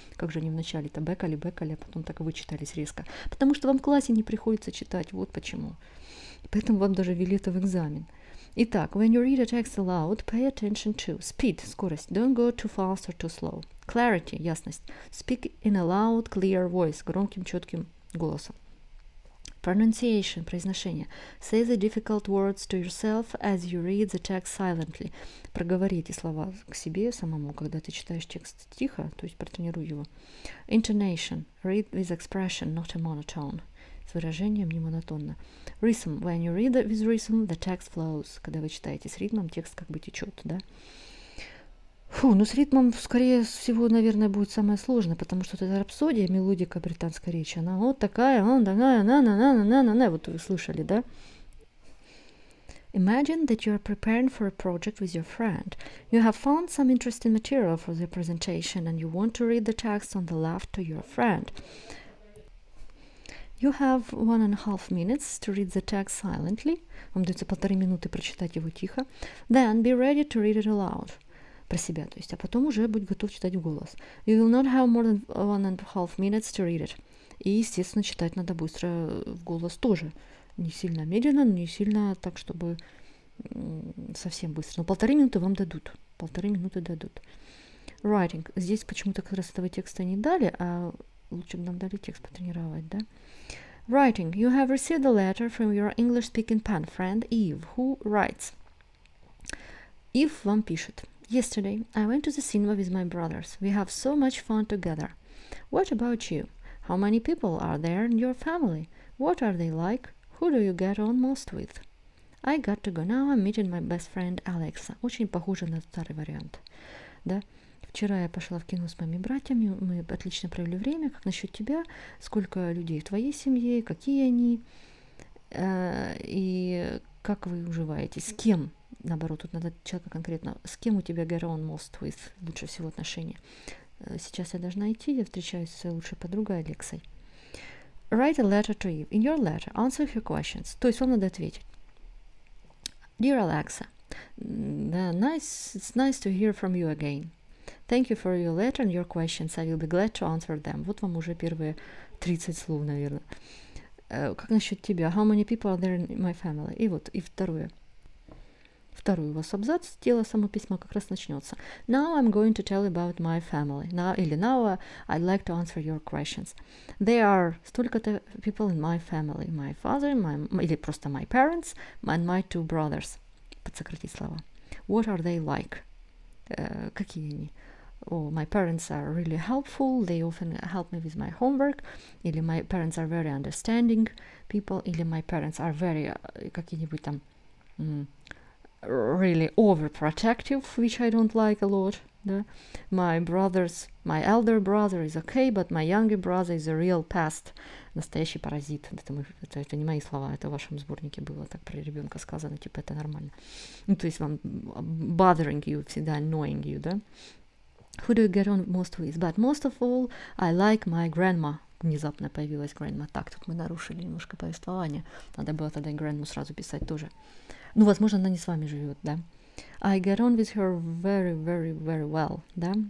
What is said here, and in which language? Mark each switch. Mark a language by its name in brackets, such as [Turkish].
[Russian] Как же они вначале-то бэкали-бэкали, а потом так вычитались резко. Потому что вам в классе не приходится читать, вот почему. И поэтому вам даже ввели это в экзамен. Итак, [English] when you read a text aloud, pay attention to. Speed, [Russian] скорость. [English] Don't go too fast or too slow. Clarity, [Russian] ясность. [English] Speak in a loud, clear voice. [Russian] Громким, четким голосом. [English] Pronunciation, [Russian] произношение. [English] Say the difficult words to yourself as you read the text silently. [Russian] Проговори эти слова к себе самому, когда ты читаешь текст тихо, то есть протренируй его. [English] Intonation, read with expression, not a monotone. [Russian] С выражением, не монотонно. [English] Rhythm, when you read with rhythm, the text flows. [Russian] Когда вы читаете с ритмом, текст как бы течет, да? Фу, ну с ритмом, скорее всего, наверное, будет самое сложное, потому что эта рапсодия, мелодика британской речи, она вот такая, он такая, на-на-на-на-на-на-на, вот вы слышали, да? [English] Imagine that you are preparing for a project with your friend. You have found some interesting material for the presentation, and you want to read the text on the left to your friend. You have 1.5 minutes to read the text silently. [Russian] Вам дается 1.5 минуты прочитать его тихо. [English] Then be ready to read it aloud. [Russian] Про себя, то есть, а потом уже будь готов читать в голос. [English] You will not have more than 1.5 minutes to read it. [Russian] И, естественно, читать надо быстро в голос тоже. Не сильно медленно, но не сильно так, чтобы совсем быстро. Но 1.5 минуты вам дадут. 1.5 минуты дадут. Writing. Здесь почему-то как раз этого текста не дали, а лучше бы нам дали текст потренировать, да? [English] Writing. You have received a letter from your English-speaking pen friend Eve, who writes. [Russian] Eve вам пишет. [English] Yesterday, I went to the cinema with my brothers. We have so much fun together. What about you? How many people are there in your family? What are they like? Who do you get on most with? I got to go now. I'm meeting my best friend Alexa. [Russian] Очень похоже на старый вариант. Да? Вчера я пошла в кино с моими братьями. Мы отлично провели время. Как насчет тебя? Сколько людей в твоей семье? Какие они? И как вы уживаетесь? С кем? Наоборот, тут надо человека конкретно. С кем у тебя [English] get on most with [Russian] лучше всего отношения? Сейчас я должна идти, я встречаюсь с своей лучшей подругой Алексой. [English] Write a letter to Eve. In your letter, answer her questions. [Russian] То есть вам надо ответить. [English] Dear Alexa, it's nice to hear from you again. Thank you for your letter and your questions. I will be glad to answer them. [Russian] Вот вам уже первые 30 слов, наверное. Как насчет тебя? [English] How many people are there in my family? [Russian] И вот, и второе. Второй у вас абзац, тело само письма как раз начнется. [English] Now I'm going to tell about my family. Now, [Russian] или [English] now I'd like to answer your questions. There are [Russian] столько-то [English] people in my family. My father, [Russian] или просто [English] my parents, and my two brothers. [Russian] Подсократить слова. [English] What are they like? [Russian] Какие они? [English] Oh, my parents are really helpful. They often help me with my homework. [Russian] Или [English] my parents are very understanding people. [Russian] Или [English] my parents are very [Russian] какие-нибудь там... [English] really overprotective, which I don't like a lot. [Russian] Да? [English] My elder brother is okay, but my younger brother is a real pest. [Russian] Настоящий паразит. Это не мои слова, это в вашем сборнике было так про ребенка сказано, типа это нормально. Ну, то есть вам [English] bothering you, [Russian] всегда [English] annoying you, [Russian] да? [English] Who do you get on most with? But most of all, I like my grandma. [Russian] Внезапно появилась grandma. Так, тут мы нарушили немножко повествование. Надо было тогда grandma сразу писать тоже. Ну, возможно, она не с вами живет, да? [English] I get on with her very, very, very well, [Russian] да?